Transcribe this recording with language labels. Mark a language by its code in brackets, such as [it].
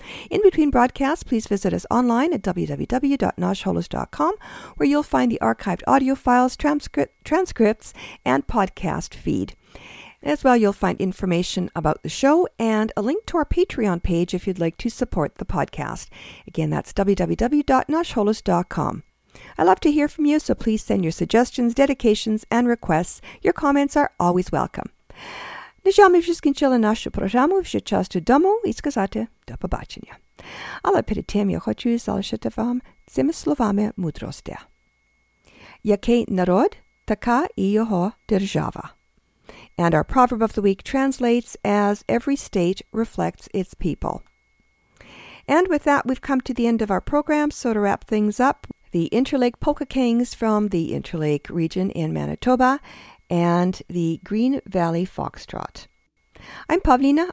[en] In between broadcasts, please visit us online at www.noshholos.com, where you'll find the archived audio files, transcripts, and podcast feed. As well, you'll find information about the show and a link to our Patreon page if you'd like to support the podcast. Again, that's www.noshholos.com. I love to hear from you, so please send your suggestions, dedications, and requests. Your comments are always welcome. [uk] На жаль, ми скінчили нашу програму вже час додому і сказати до побачення. Але перед тим я хочу залишити вам цими словами мудрості. Який народ, така і його держава. [en] And our proverb of the week translates as every state reflects its people. And with that, we've come to the end of our program, so to wrap things up, the Interlake Polka Kings from the Interlake region in Manitoba and the Green Valley Foxtrot. I'm Pavlina.